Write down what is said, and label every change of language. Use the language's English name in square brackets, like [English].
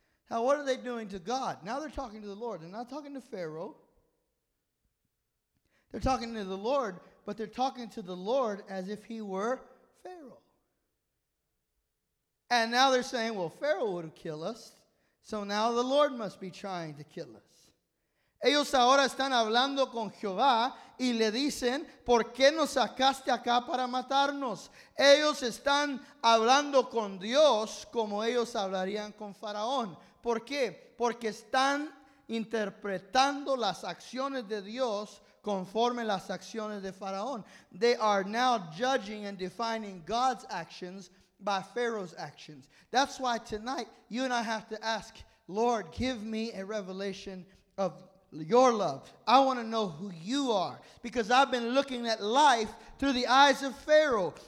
[English] Now, what are they doing to God? Now they're talking to the Lord. They're not talking to Pharaoh. They're talking to the Lord, but they're talking to the Lord as if he were Pharaoh. And now they're saying, well, Pharaoh would kill us, so now the Lord must be trying to kill us. [Spanish] Ellos ahora están hablando con Jehová y le dicen, ¿por qué nos sacaste acá para matarnos? Ellos están hablando con Dios como ellos hablarían con Faraón. ¿Por qué? Porque están interpretando las acciones de Dios conforme las acciones de Faraón. [English] They are now judging and defining God's actions by Pharaoh's actions. That's why tonight you and I have to ask, Lord, give me a revelation of your love. I want to know who you are, because I've been looking at life through the eyes of Pharaoh.